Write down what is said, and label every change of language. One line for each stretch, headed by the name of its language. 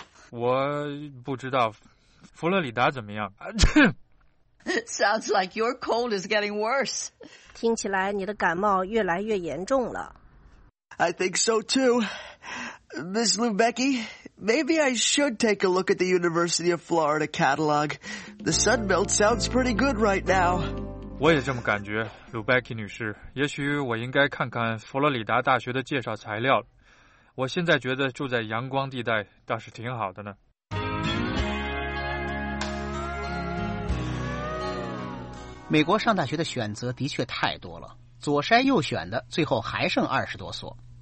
Chinese: 我不知道佛罗里达怎么样。
English: Sounds like your cold is getting worse.
Chinese: 听起来你的感冒越来越严重了。
English: I think so too. Miss Lubecki, maybe I should take a look at the University of Florida catalog. The Sun Belt sounds pretty good right now.
Chinese: 我也这么感觉， Lubecki 女士，也许我应该看看佛罗里达大学的介绍材料。我现在觉得住在阳光地带倒是挺好的呢。美国上大学的选择的确太多了，左筛右选的最后还剩20多所。